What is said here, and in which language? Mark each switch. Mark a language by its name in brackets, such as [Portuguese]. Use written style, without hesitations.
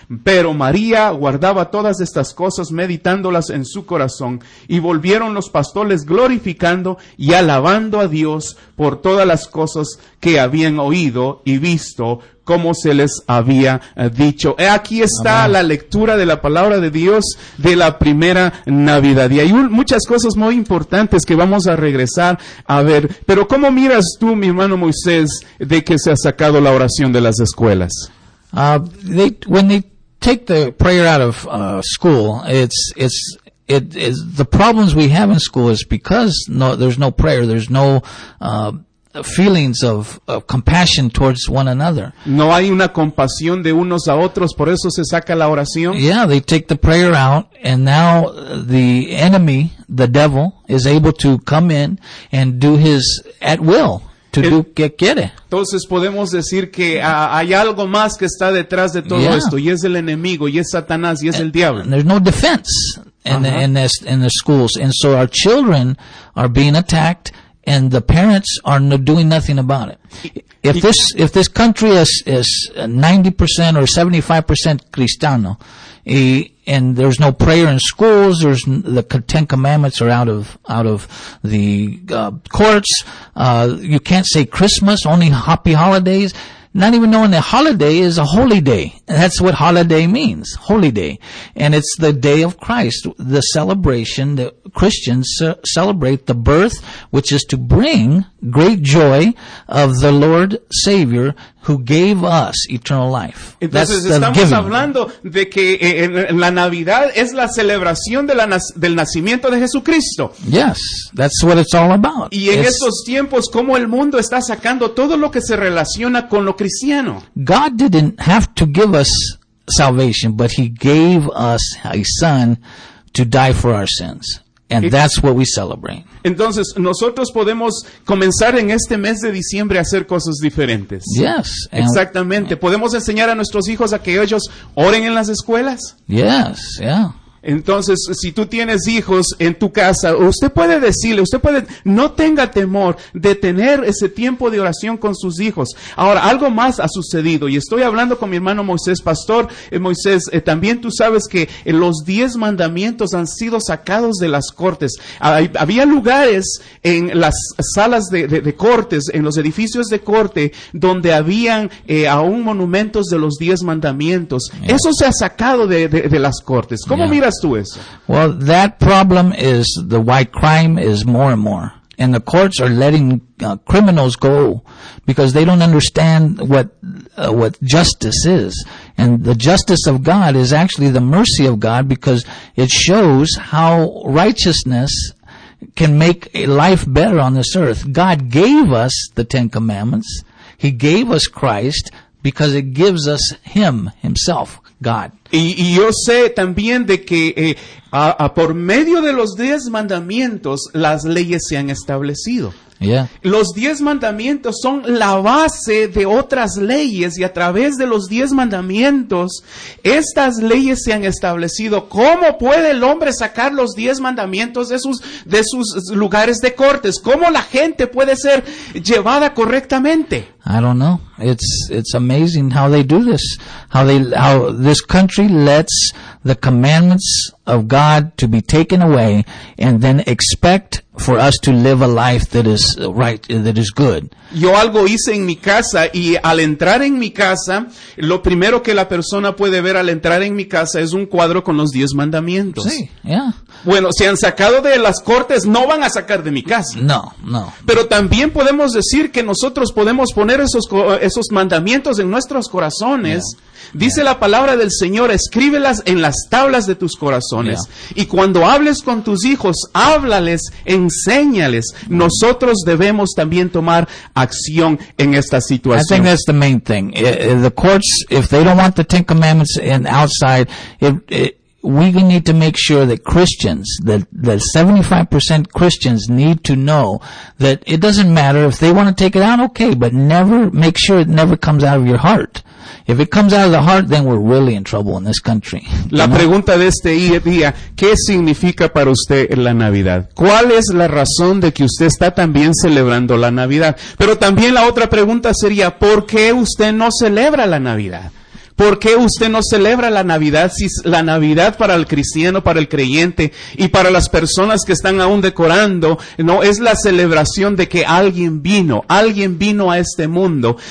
[Spanish] pero María guardaba todas estas cosas meditándolas en su corazón, y volvieron los pastores glorificando y alabando a Dios por todas las cosas que habían oído y visto como se les había dicho. Aquí está la lectura de la palabra de Dios de la primera Navidad. Y hay muchas cosas muy importantes que vamos a regresar a ver. Pero ¿cómo miras tú, mi hermano Moisés, de que se ha sacado la oración de las escuelas? [English] When they take the prayer out of school, it's the problems we have in school is because there's no prayer, there's no feelings of compassion towards one another. [Spanish] No hay una compasión de unos a otros, por eso se saca la oración. [English] Yeah, they take the prayer out, and now the enemy, the devil, is able to come in and do his at will. [Spanish] Do que quiere. Entonces podemos decir que hay algo más que está detrás de todo esto, y es el enemigo, y es Satanás, y es el diablo. [English] And there's no defense in the schools, and so our children are being attacked, and the parents are doing nothing about it. If this country is 90% or 75% Cristiano, and there's no prayer in schools, there's the Ten Commandments are out of the courts, you can't say Christmas, only happy holidays. Not even knowing that holiday is a holy day. That's what holiday means, holy day. And it's the day of Christ, the celebration that Christians celebrate, the birth, which is to bring great joy of the Lord Savior who gave us eternal life. [Spanish] Entonces estamos hablando de que en la Navidad es la celebración de del nacimiento de Jesucristo. [English] Yes, that's what it's all about. [Spanish] Y en estos tiempos, como el mundo está sacando todo lo que se relaciona con lo cristiano. [English] God didn't have to give us salvation, but he gave us a son to die for our sins. And that's what we celebrate. [Spanish] Entonces, nosotros podemos comenzar en este mes de diciembre a hacer cosas diferentes. [English] Yes. [Spanish] Exactamente. ¿Podemos enseñar a nuestros hijos a que ellos oren en las escuelas? [English] Yes, yeah. [Spanish] Entonces, si tú tienes hijos en tu casa, usted puede decirle, no tenga temor de tener ese tiempo de oración con sus hijos. Ahora, algo más ha sucedido, y estoy hablando con mi hermano Moisés. Pastor Moisés, también tú sabes que los 10 mandamientos han sido sacados de las cortes. Había lugares en las salas de cortes, en los edificios de corte, donde habían aún monumentos de los 10 mandamientos. [English] Yeah. [Spanish] Eso se ha sacado de las cortes. ¿Cómo mira? [English] Well, that problem is the white crime is more and more. And the courts are letting criminals go because they don't understand what justice is. And the justice of God is actually the mercy of God, because it shows how righteousness can make a life better on this earth. God gave us the Ten Commandments. He gave us Christ because it gives us Him, Himself. God. [Spanish] Y yo sé también de que por medio de los 10 mandamientos las leyes se han establecido. [English] Yeah. [Spanish] Los 10 mandamientos son la base de otras leyes, y a través de los 10 mandamientos, estas leyes se han establecido. ¿Cómo puede el hombre sacar los 10 mandamientos de sus lugares de cortes? ¿Cómo la gente puede ser llevada correctamente? [English] I don't know. It's amazing how they do this. How this country lets the commandments of God to be taken away and then expect for us to live a life that is right, that is good. [Spanish] Yo algo hice en mi casa, y al entrar en mi casa, lo primero que la persona puede ver al entrar en mi casa es un cuadro con los 10 mandamientos. Sí, [English] yeah. [Spanish] Bueno, si han sacado de las cortes, no van a sacar de mi casa. No, no. Pero también podemos decir que nosotros podemos poner esos mandamientos en nuestros corazones. [English] Yeah. [Spanish] Dice la palabra del Señor, escríbelas en las tablas de tus corazones. [English] Yeah. [Spanish] Y cuando hables con tus hijos, háblales, enséñales. Nosotros debemos también tomar acción en esta situación. [English] I think that's the main thing. The courts, if they don't want the Ten Commandments in outside, we need to make sure that Christians, that 75% Christians need to know that it doesn't matter if they want to take it out, okay, but never make sure it never comes out of your heart. If it comes out of the heart, then we're really in trouble in this country. [Spanish] La pregunta de este día, ¿qué significa para usted la Navidad? ¿Cuál es la razón de que usted está también celebrando la Navidad? Pero también la otra pregunta sería, ¿por qué usted no celebra la Navidad? ¿Por qué usted no celebra la Navidad, si la Navidad para el cristiano, para el creyente y para las personas que están aún decorando, no es la celebración de que alguien vino a este mundo?